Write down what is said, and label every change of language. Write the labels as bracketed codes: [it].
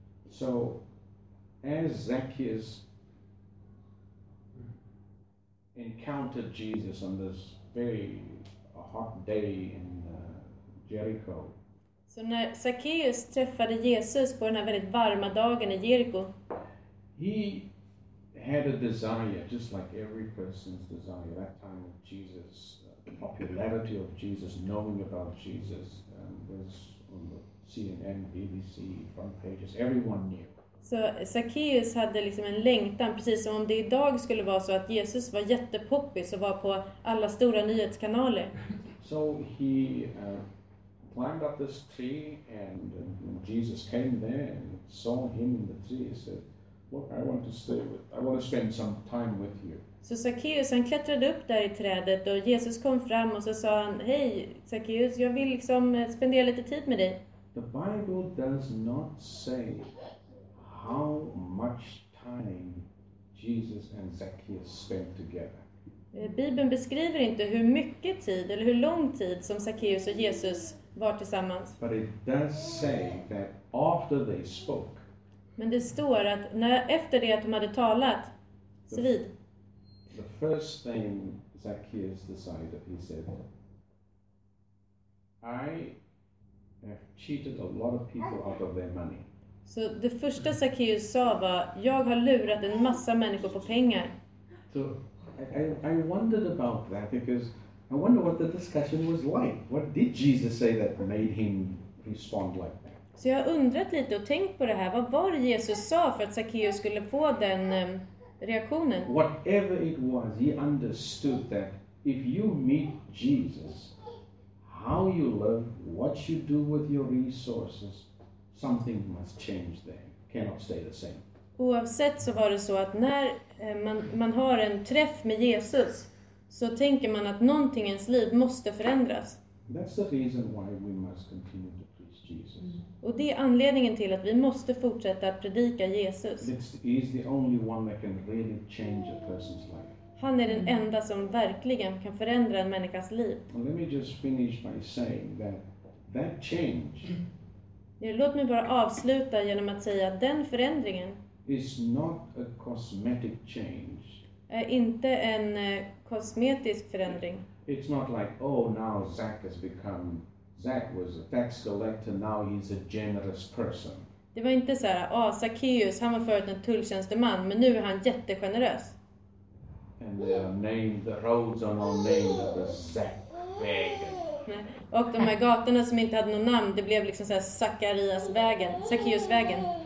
[en] So as Zacchaeus encountered Jesus on this very hot day in Jericho. [sv] Så när Zacchaeus träffade Jesus på den här väldigt varma dagen i Jeriko. [en] He had a desire, just like every person's desire, that time of Jesus, the popularity of Jesus, knowing about Jesus, was on the CNN, BBC, front pages, everyone knew. [sv] Så Zacchaeus hade liksom en längtan, precis som om det idag skulle vara så att Jesus var jättepoppis och var på alla stora nyhetskanaler. [en] So he climbed up this tree, and when Jesus came there and saw him in the tree, he said, "Look, I want to stay with. I want to spend some time with you." [sv] Så Zacchaeus, han klättrade upp där i trädet och Jesus kom fram och så sa han, "Hej, Zacchaeus, jag vill liksom spendera lite tid med dig." [en] The Bible does not say how much time Jesus and Zacchaeus spent together. [sv] Bibeln beskriver inte hur mycket tid eller hur lång tid som Zacchaeus och Jesus var tillsammans. [en] But it does say that after they spoke. [sv] Men det står att när efter det att de hade talat så vid. [en] The first thing Zacchaeus decided, he said, "I have cheated a lot of people out of their money." [sv] Så det första Zacchaeus sa var, jag har lurat en massa människor på pengar. [en] So I wondered about that, because I wonder what the discussion was like. What did Jesus say that made him respond like that? [sv] Så jag undrat lite och tänkt på det här. Vad var Jesus sa för att Zacchaeus skulle få den reaktionen? [en] Whatever it was, he understood that if you meet Jesus, how you live, what you do with your resources, something must change there. Cannot stay the same. [sv] Oavsett så var det så att när man har en träff med Jesus så tänker man att någonting ens liv måste förändras. [en] That's the reason why we must continue to preach Jesus. [sv] Och det är anledningen till att vi måste fortsätta att predika Jesus. [en] He's the only one that can really change a person's life. [sv] Han är den enda som verkligen kan förändra en människas liv. [en] And let me just finish by saying that change. [sv] Låt mig bara avsluta genom att säga att den förändringen [en] is not a cosmetic change. [sv] Är inte en kosmetisk förändring. [en] It's not like, oh, now Zach has become, Zach was a tax collector, now he's a generous person. [sv] Det var inte så här, Zacchaeus, han var förut en tulltjänsteman, men nu är han jättegenerös. [en] And they are named, the roads are now named of the Zach wagon. [sv] Och de här gatorna som inte hade någon namn, det blev liksom så här Zacharias vägen, Zacchaeus vägen.